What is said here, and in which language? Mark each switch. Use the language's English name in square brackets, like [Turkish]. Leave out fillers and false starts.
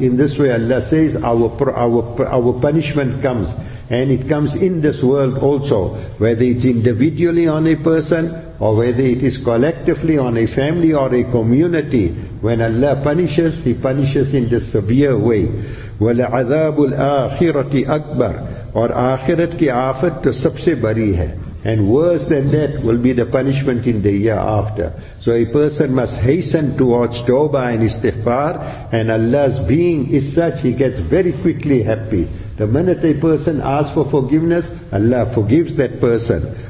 [English] In this way Allah says our punishment comes. And it comes in this world also, whether it's individually on a person or whether it is collectively on a family or a community. When Allah punishes, He punishes in this severe way. [Arabic] وَلَعَذَابُ الْآخِرَةِ أَكْبَرِ. [Urdu] Or آخرت کی آفت تو سب سے بری ہے. [English] And worse than that will be the punishment in the year after. So a person must hasten towards Tawbah and Istighfar, and Allah's being is such, He gets very quickly happy. The minute a person asks for forgiveness, Allah forgives that person.